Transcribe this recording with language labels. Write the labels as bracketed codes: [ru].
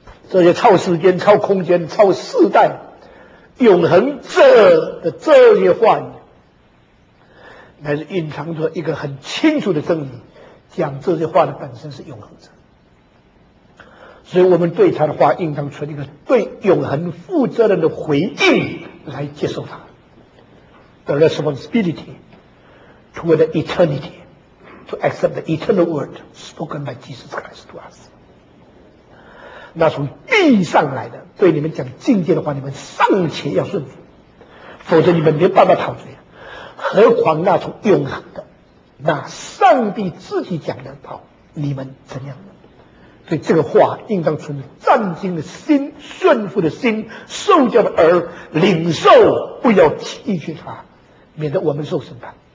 [zh] 这些超时间、超空间、超世代、永恒者的这些话语，乃是隐藏着一个很清楚的真理，讲这些话的本身是永恒者。所以我们对他的话应当存一个对永恒负责任的回应来接受他。 [en] The responsibility toward the eternity to accept the eternal word spoken by Jesus Christ to us. [zh] 那从地上来的对你们讲境界的话，你们尚且要顺服，否则你们没办法逃罪，何况那从永恒的那上帝自己讲的道，你们怎样呢？所以这个话应当存着战兢的心、顺服的心、受教的耳领受，不要弃绝它，免得我们受审判。